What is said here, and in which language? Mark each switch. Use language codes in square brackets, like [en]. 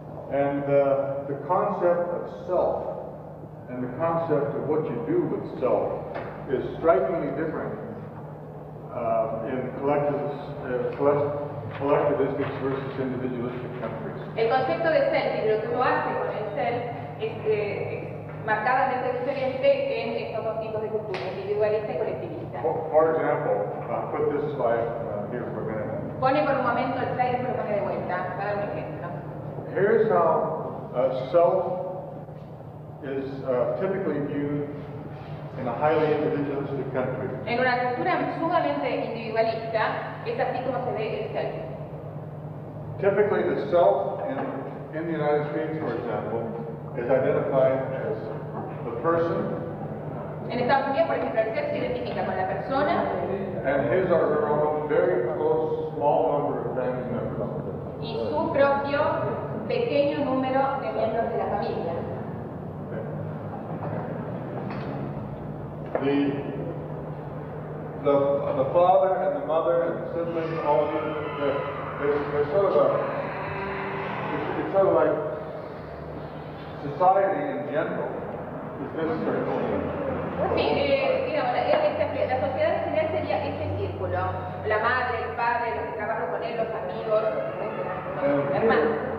[en] And the concept of self and the concept of what you do with self is strikingly different in collectivistic versus individualistic countries. [es] El concepto de self y lo que uno hace con el self es marcadamente diferente en estos dos tipos de culturas, individualista y colectivista. [en] For example, I'll put this slide here for a minute. [es] Pone por un momento el slide y lo pone de vuelta, para un ejemplo. [en] Here's how self is typically viewed in a highly individualistic country. [es] En una cultura sumamente individualista, es así como se ve el self. [en] Typically, the self in the United States, for example, is identified as the person. [es] En Estados Unidos, por ejemplo, el self se identifica con la persona. [en] And his or her own very close, small number of family members. [es] Y su propio pequeño número de miembros de la familia. [en] The father and the mother and the siblings, all of they're sort of it's sort of like society in general is this circle. [es] Sí, la sociedad en general sería este círculo. La madre, el padre, los que trabajan con él, los amigos, los hermanos.